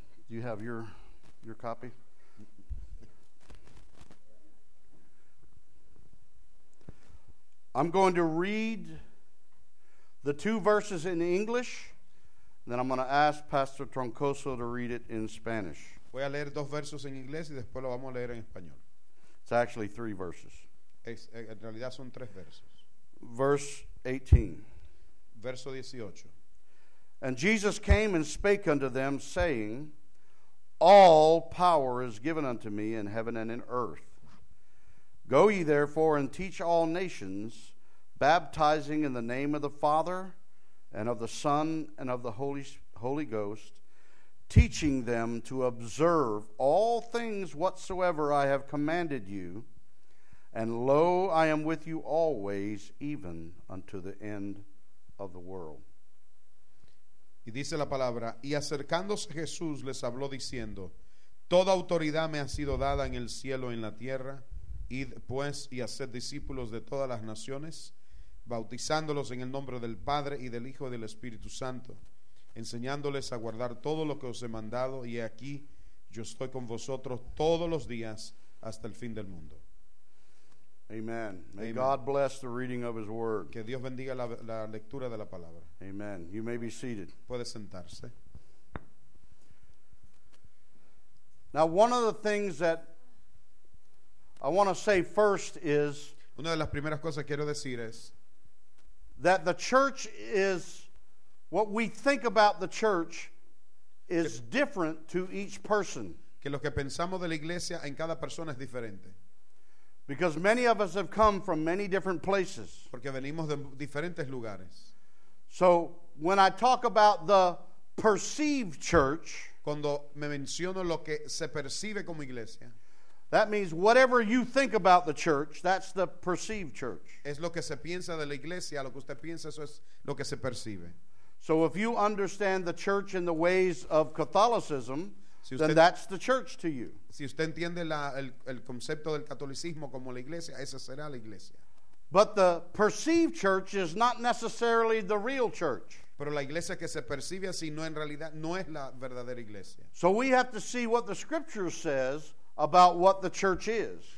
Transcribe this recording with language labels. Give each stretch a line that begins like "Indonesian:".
English: Do you have your copy? I'm going to read the two verses in English, then I'm going to ask Pastor Troncoso to read it in Spanish.
Spanish: Voy a leer dos versos en inglés y después lo vamos a leer en español.
English: It's actually three verses.
Spanish: En realidad son tres versos.
English: Verse 18.
Spanish: Verso 18.
English: And Jesus came and spake unto them, saying, All power is given unto me in heaven and in earth. Go ye therefore and teach all nations, baptizing in the name of the Father and of the Son and of the Holy Ghost, teaching them to observe all things whatsoever I have commanded you. And lo, I am with you always, even unto the end of the world.
Spanish: Y dice la palabra, y acercándose Jesús les habló diciendo, Toda autoridad me ha sido dada en el cielo y en la tierra. Id pues y haced discípulos de todas las naciones, bautizándolos en el nombre del Padre y del Hijo y del Espíritu Santo, enseñándoles a guardar todo lo que os he mandado, y aquí yo estoy con vosotros todos los días hasta el fin del mundo.
English: Amen. May Amen. God bless the reading of his word.
Spanish: Que Dios bendiga la lectura de la palabra.
English: Amen. You may be seated.
Spanish: Puede sentarse.
English: Now, one of the things that I want to say first is
Spanish: Una de las primeras cosas que quiero decir es
English: that the church is what we think about the church is different to each person.
Spanish: Que lo que pensamos de la iglesia en cada persona es diferente.
English: Because many of us have come from many different places.
Spanish: Porque venimos de diferentes lugares.
English: So when I talk about the perceived church,
Spanish: cuando me menciono lo que se percibe como iglesia,
English: that means whatever you think about the church, that's the perceived church.
Spanish: Es lo que se piensa de la iglesia, lo que usted piensa, eso es lo que se percibe.
English: So if you understand the church in the ways of Catholicism,
Spanish: si usted,
English: then that's the church to you.
Spanish: Si usted entiende el concepto del catolicismo como la iglesia, esa será la iglesia.
English: But the perceived church is not necessarily the real church.
Spanish: Pero la iglesia que se percibe así no en realidad no es la verdadera iglesia.
English: So we have to see what the scripture says about what the church is.